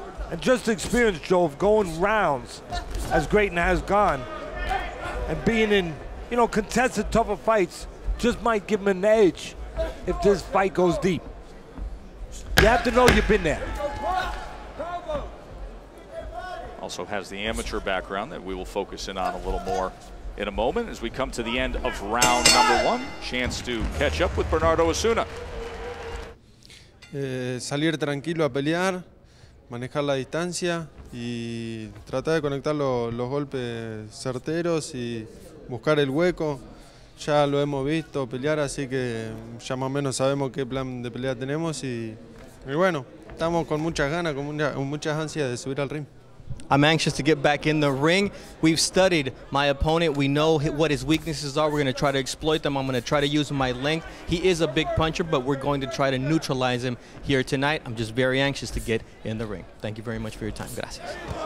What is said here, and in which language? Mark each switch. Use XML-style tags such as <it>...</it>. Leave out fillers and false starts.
<en>And just the experience, Joe, of going rounds as Grayton has gone and being in, you know, contested tougher fights just might give him an edge if this fight goes deep. You have to know you've been there. Also has the amateur background that we will focus in on a little more in a moment as we come to the end of round number one. Chance to catch up with Bernardo Osuna.</en> <es>Salir tranquilo a pelear, manejar la distancia y tratar de conectar los golpes certeros y buscar el hueco. Ya lo hemos visto pelear, así que ya más o menos sabemos qué plan de pelea tenemos y bueno, estamos con muchas ganas, con muchas ansias de subir al ring.</es> <en>I'm anxious to get back in the ring. We've studied my opponent. We know what his weaknesses are. We're going to try to exploit them. I'm going to try to use my length. He is a big puncher, but we're going to try to neutralize him here tonight. I'm just very anxious to get in the ring. Thank you very much for your time. Gracias.</en>